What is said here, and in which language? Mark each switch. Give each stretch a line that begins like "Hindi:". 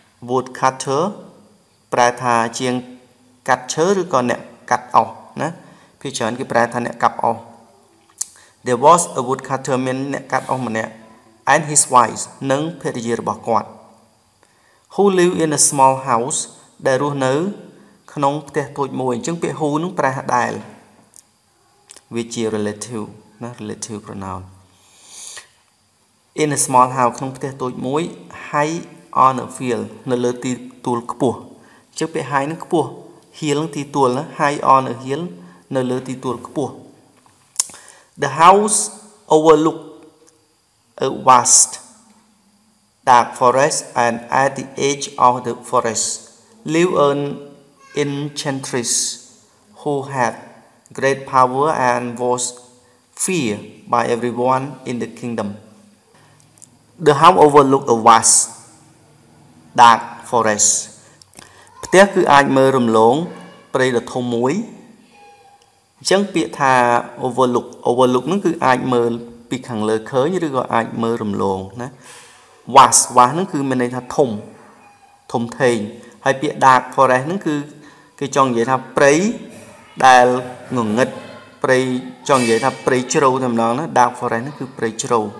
Khmer: woodcutter ប្រែថា ជាង កាត់ ឈើ ឬក៏ អ្នក កាត់ អស់ ណា ភាគ ច្រើន គេ ប្រែថា អ្នក កាប់ អស់
English: There was a woodcutter
Khmer: មានអ្នក កាត់ អស់ ម្នាក់
English: and his wife
Khmer: និង ភរិយា របស់ គាត់
English: who live in a small house
Khmer: ដែល រស់ នៅ ក្នុង ផ្ទះ តូច មួយ អញ្ចឹង ពាក្យ who នឹង ប្រែថា ដែល វា ជា relative
English: Not relative pronoun. In a small house,
Khmer: ក្នុង ផ្ទះ តូច មួយ,
English: high on a field,
Khmer: នៅ លើ ទី ទួល ខ្ពស់. ជា ពាក្យ high នឹង ខ្ពស់, hill នឹង ទី ទួល, ណា,
English: high on a hill,
Khmer: នៅ លើ ទី ទួល ខ្ពស់.
English: The house overlooked a vast dark forest, and at the edge of the forest lived an enchantress who had great power and was fear by everyone in the kingdom. The house overlooked a vast dark forest.
Khmer: ផ្ទះ គឺ អាច មើល រំលង ព្រៃ ដ៏ ធំ មួយ អញ្ចឹង ពាក្យ ថា overlook overlook នឹង គឺ អាច មើល ពី ខាង លើ ឃើញ ឬ ក៏ អាច មើល រំលង ណា vast vast នឹង គឺ មាន ន័យ ថា ធំ ធំ ធេង ហើយ ពាក្យ dark forest នឹង គឺ គេ ចង់ និយាយ ថា ព្រៃ ដែល ងងឹត ព្រៃ ចង់ និយាយ ថា ព្រៃ ជ្រៅ តែ ម្ដង ណា dark forest នឹង គឺ ព្រៃ ជ្រៅ